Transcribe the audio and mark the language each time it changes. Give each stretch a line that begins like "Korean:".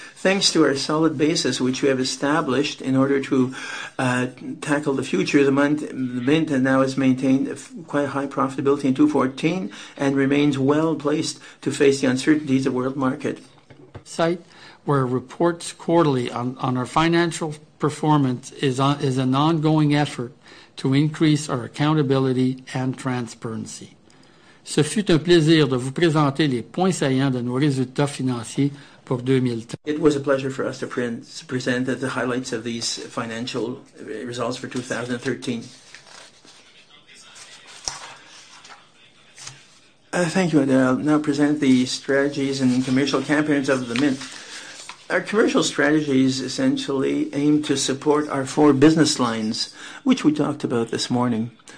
English: Thanks to our solid basis, which we have established in order to tackle the future, the Mint now has maintained quite high profitability in 2014 and remains well-placed to face the uncertainties of world market. Site where reports quarterly on our financial performance is an ongoing effort to increase our accountability and transparency.
French: Ce fut un plaisir de vous présenter les points saillants de nos résultats financiers pour 2013.
English: It was a pleasure for us to present the highlights of these financial results for 2013. Thank you, Adele. I'll now present the strategies and commercial campaigns of the Mint. Our commercial strategies essentially aim to support our four business lines, which we talked about this morning.